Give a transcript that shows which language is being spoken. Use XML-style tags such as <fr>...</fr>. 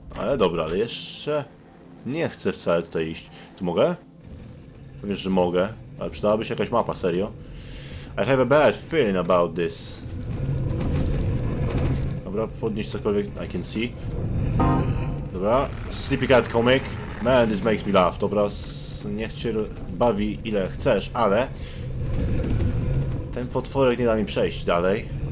<pl>Ale dobra, ale jeszcze nie chcę wcale tutaj iść. Tu mogę? Wiesz, że mogę, ale przydałaby się jakaś mapa, serio.</pl> <en>I have a bad feeling about this.</en> <pl>Dobra, podnieś cokolwiek</pl> <en>I can see. Dobra, Sleepy Cat Comic. Man, this makes me laugh.</en> <pl>Dobra, niech cię bawi ile chcesz, ale... Ten potworek nie da mi przejść dalej.</pl>